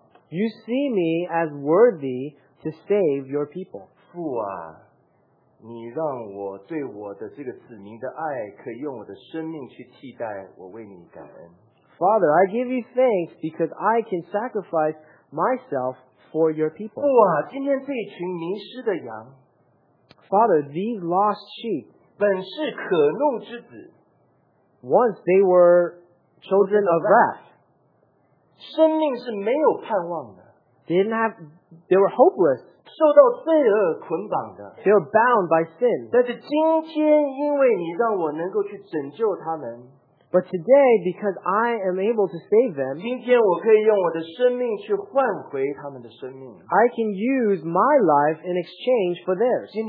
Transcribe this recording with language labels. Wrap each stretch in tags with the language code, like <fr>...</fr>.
<en>you see me as worthy to save your people.</en> <zh>父啊, 你让我对我的这个子民的爱可以用我的生命去替代我为你感恩。</zh> <en>Father, I give you thanks because I can sacrifice myself for your people.</en> <zh>父啊, 今天这群迷失的羊,</zh> <en>Father, these lost sheep,</en> <zh>本是可怒之子,</zh> <en>once they were children of wrath,</en> <zh>生命是没有盼望的,</zh> <en>they were hopeless,</en> <zh>受到罪恶捆绑的,</zh> <en>they were bound by sin.</en> <zh>但是今天因为你让我能够去拯救他们,</zh> <en>but today, because I am able to save them,</en> <zh>今天我可以用我的生命去换回他们的生命,</zh> <en>I can use my life in exchange for theirs.</en>